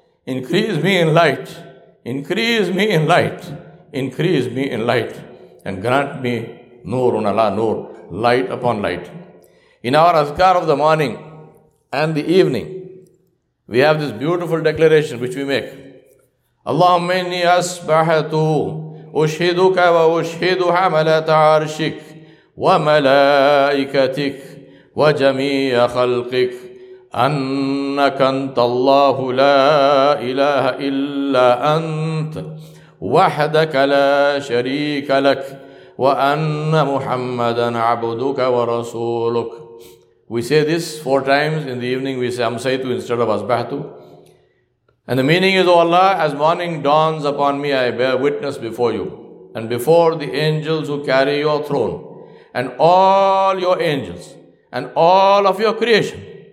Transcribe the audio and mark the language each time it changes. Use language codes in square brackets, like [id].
[en] Increase me in light. Increase me in light. Increase me in light. And grant me nurun ala nur, light upon light. In our azkar of the morning and the evening, we have this beautiful declaration which we make. [ar] Allahumma inni asbahatu ushiduka wa ushidu hamalata arshik wa malaikatik وجميع خلقك أنك أنت الله لا إله إلا أنت وحدك لا شريك لك وأن محمدا عبدك ورسولك. [en] We say this four times in the evening. We say Amsaytu instead of Asbahtu. And the meaning is, O Allah, as morning dawns upon me, I bear witness before you and before the angels who carry your throne and all your angels and all of your creation.